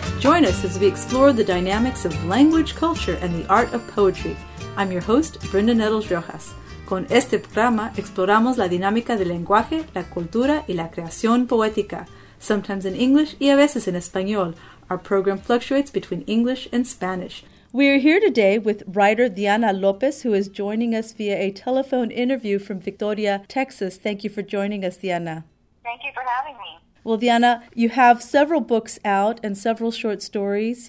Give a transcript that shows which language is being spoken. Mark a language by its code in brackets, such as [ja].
[en] Join us as we explore the dynamics of language, culture, and the art of poetry. I'm your host, Brenda Nettles Rojas. [es] Con este programa, exploramos la dinámica del lenguaje, la cultura, y la creación poética, [en] sometimes in English [es] y a veces en español. [en] Our program fluctuates between English and Spanish. We are here today with writer Diana Lopez, who is joining us via a telephone interview from Victoria, Texas. Thank you for joining us, Diana. Thank you for having me. Well, Diana, you have several books out and several short stories.